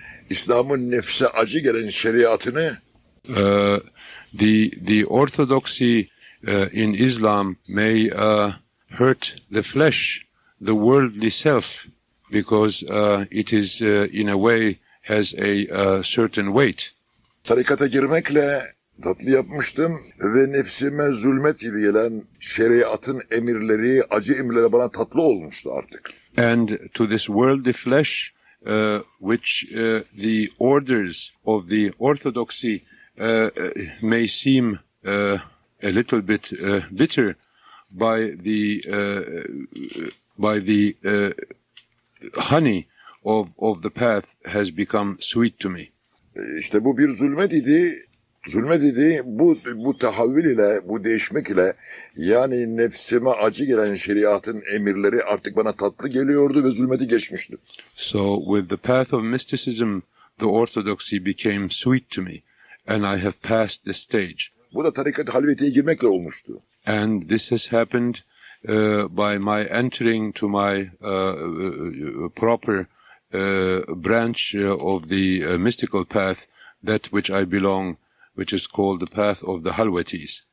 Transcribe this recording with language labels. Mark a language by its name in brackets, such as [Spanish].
[Turkish] İslam'ın nefse acı gelen şeriatını. [English] The orthodoxy in Islam may hurt the flesh, the worldly self, because it is in a way has a certain weight. [Turkish] Tarikata girmekle tatlı yapmıştım ve nefsime zulmet gibi gelen şeriatın emirleri, acı emirleri bana tatlı olmuştu artık. [English] And to this worldly flesh, which the orders of the orthodoxy may seem a little bit bitter by the honey of the path has become sweet to me. [Turkish] İşte bu bir zulmet idi. Zulmet idi. Bu tahavvül ile, bu değişmek ile, yani nefsime acı gelen şeriatın emirleri artık bana tatlı geliyordu ve zulmeti geçmiştim. [English] So with the path of mysticism, the orthodoxy became sweet to me, and I have passed the stage. [Turkish] Bu da tarikat halveti girmekle olmuştu. [English] And this has happened by my entering to my proper branch of the mystical path, that which I belong, which is called the path of the halvetis.